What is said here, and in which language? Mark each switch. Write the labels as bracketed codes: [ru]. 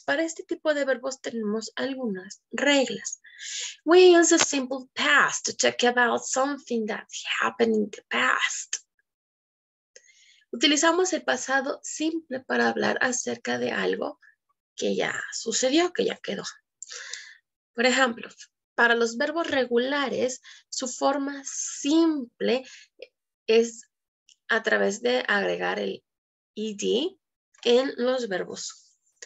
[es] Para este tipo de verbos tenemos algunas reglas. [en] We use the simple past to talk about something that happened in the past. [es] Utilizamos el pasado simple para hablar acerca de algo que ya sucedió, que ya quedó. Por ejemplo, para los verbos regulares, su forma simple es a través de agregar el ed en los verbos.